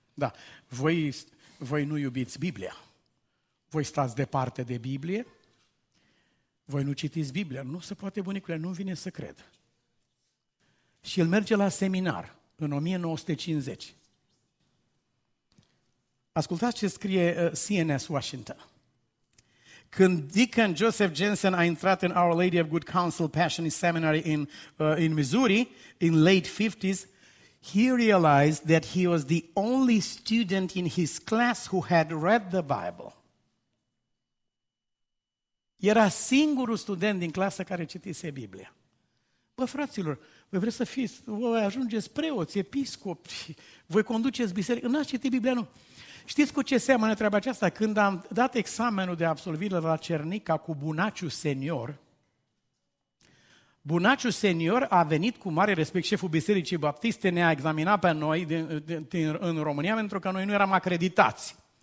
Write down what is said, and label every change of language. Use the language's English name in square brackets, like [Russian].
[Romanian] Da, voi nu iubiți Biblia. Voi stați departe de Biblie. Voi nu citiți Biblia. Nu se poate, bunicule, nu vine să cred. Și el merge la seminar în 1950. Ascultați ce scrie CNS Washington. Când [English] Deacon Joseph Jensen [Romanian] a intrat în [English] Our Lady of Good Counsel Passion Seminary in Missouri in late 50s, he realized that he was the only student in his class who had read the Bible. [Romanian] Era singurul student din clasă care citise Biblia. Bă, fraților, voi vreți să fiți, voi ajungeți preoți, episcopi, voi conduceți biserică, n-ați citit Biblia, nu. Știți cu ce seamănă treaba aceasta? Când am dat examenul de absolvire la Cernica cu Bunaciu Senior, Bunaciu Senior a venit cu mare respect, șeful Bisericii Baptiste, ne-a examinat pe noi în România, pentru că noi nu eram acreditați.